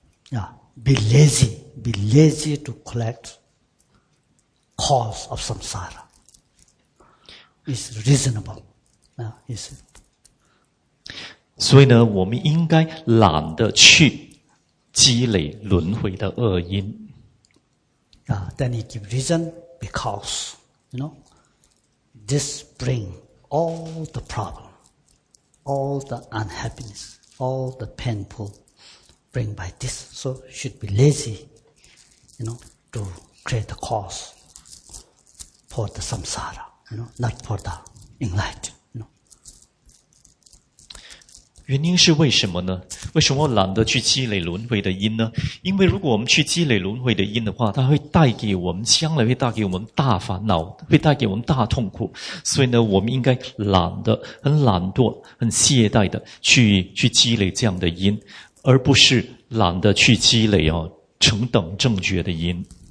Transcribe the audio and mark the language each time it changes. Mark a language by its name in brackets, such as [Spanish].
[English] Yeah, be lazy to collect cause of samsara. It's reasonable. Yeah, it's. [Chinese] 所以呢，我们应该懒得去积累轮回的恶因。 [English] Yeah, then he give reason because you know this bring all the problem. All the unhappiness, all the painful bring by this. So should be lazy, you know, to create the cause for the samsara, you know, not for the enlightenment, you know. [Chinese] 原因是为什么呢？为什么懒得去积累轮回的因呢？因为如果我们去积累轮回的因的话，它会带给我们，将来会带给我们大烦恼，会带给我们大痛苦。所以呢，我们应该懒得，很懒惰，很懈怠的去积累这样的因，而不是懒得去积累哦，成等正觉的因。